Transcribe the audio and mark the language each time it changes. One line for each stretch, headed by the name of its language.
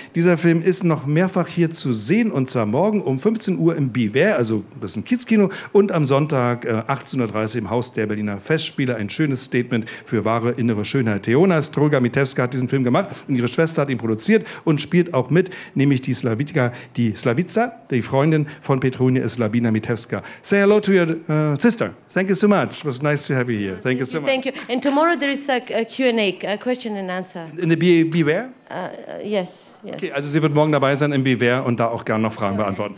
German: Dieser Film ist noch mehrfach hier zu sehen, und zwar morgen um 15 Uhr im Biver, also das ist ein Kiezkino, und am Sonntag 18.30 Uhr im Haus der Berliner Festspiele. Ein schönes Statement für wahre innere Schönheit. Theona Stroga-Mitewska hat diesen Film gemacht und ihre Schwester hat ihn produziert und spielt auch mit, nämlich die Slavitka, die Slavica, die Freundin von Petrunia ist Slabina Mitewska.
English: Say hello to your sister. Thank you so much. It was nice to have you here. Thank you so much. Thank you. And tomorrow there is a Q&A, a question and answer. In the Beware? Yes.
German: Okay, also sie wird morgen dabei sein im Beware und da auch gerne noch Fragen beantworten.